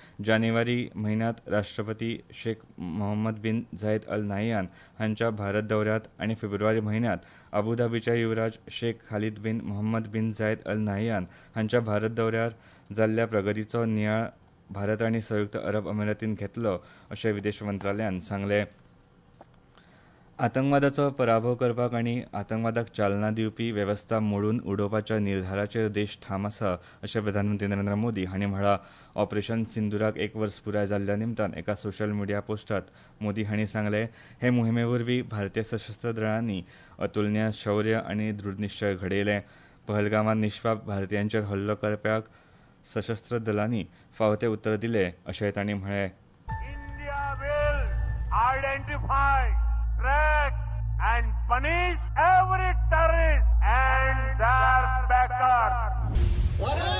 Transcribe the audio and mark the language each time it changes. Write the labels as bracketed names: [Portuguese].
[Goan Konkani] जानेवारी म्हयन्यात राष्ट्रपती Shaikh Mohammed bin Zayed Al Nahyan हांच्या भारत दौऱ्यात आनी फेब्रुवारी म्हयन्यात अबुधाबीचे युवराज शेख खालिद बीन Mohammed bin Zayed Al Nahyan हांच्या भारत दौऱ्यार जाल्ल्या प्रगतीचो नियाळ भारत आनी संयुक्त अरब अमिरातीन घेतलो अशें विदेश मंत्रालयान सांगले. आतंकवादाचो पराभव करपाक आनी आतंकवादाक चालना दिवपी वेवस्था मोडून उडोवपाच्या निर्धाराचेर देश ठाम आसा अशें प्रधानमंत्री नरेंद्र मोदी हांणी म्हळां. ऑपरेशन सिंदुराक 1 वर्स पुराय जाल्ल्या निमतान एका सोशल मिडिया पोस्टात मोदी हांणी सांगले, हे मोहिमेवरवीं भारतीय सशस्त्र दळांनी अतुलनीय शौर्य आनी दृढनिश्चय घडयले. पहलगामात निश्पाप भारतीयांचेर हल्लो करप्याक सशस्त्र दलांनी फावते उत्तर दिले अशें तांणी म्हळें. [English] India will identify, track and punish every terrorist and their backer.